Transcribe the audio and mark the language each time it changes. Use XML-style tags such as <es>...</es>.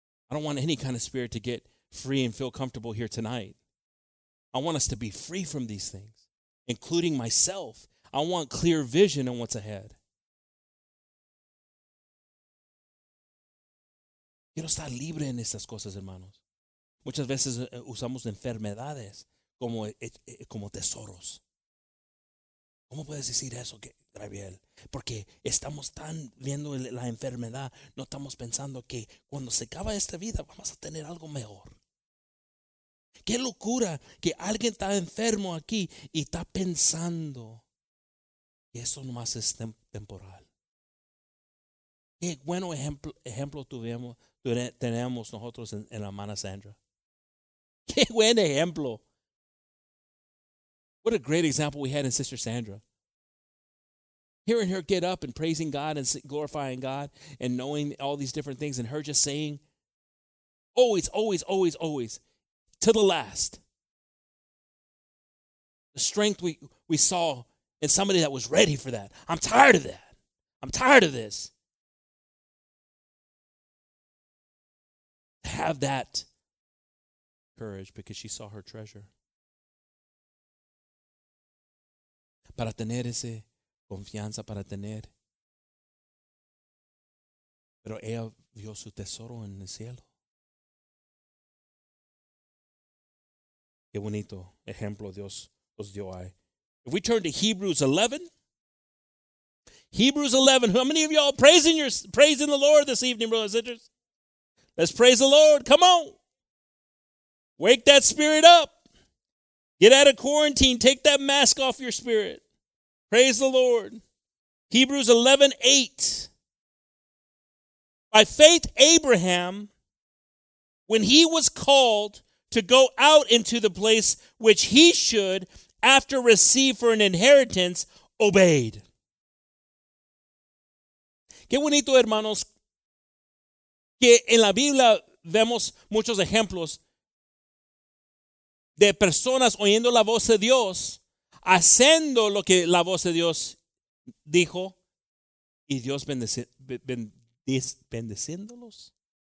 <en>I don't want any kind of spirit to get free and feel comfortable here tonight. I want us to be free from these things, including myself. I want clear vision on what's ahead.</en> <es>Quiero estar libre en estas cosas, hermanos. Muchas veces usamos enfermedades como tesoros. ¿Cómo puedes decir eso, Gabriel? Porque estamos tan viendo la enfermedad, no estamos pensando que cuando se acaba esta vida vamos a tener algo mejor. Qué locura que alguien está enfermo aquí y está pensando que eso nomás es temporal. Qué buen ejemplo tenemos nosotros en la hermana Sandra. Qué buen ejemplo.</es> <en>What a great example we had in Sister Sandra. Hearing her get up and praising God and glorifying God and knowing all these different things and her just saying, always, always, always, always, to the last. The strength we saw in somebody that was ready for that. I'm tired of that. I'm tired of this. Have that courage because she saw her treasure.</en> <es>Para tener ese confianza, para tener. Pero ella vio su tesoro en el cielo. Qué bonito ejemplo Dios os dio ahí.</es> <en>If we turn to Hebrews 11. Hebrews 11. How many of y'all praising the Lord this evening, brothers and sisters? Let's praise the Lord. Come on. Wake that spirit up. Get out of quarantine. Take that mask off your spirit. Praise the Lord. Hebrews 11, 8. By faith, Abraham, when he was called to go out into the place which he should, after receive for an inheritance, obeyed.</en> <es>Qué bonito, hermanos, que en la Biblia vemos muchos ejemplos de personas oyendo la voz de Dios, haciendo lo que la voz de Dios dijo, y Dios bendeciéndolos.</es>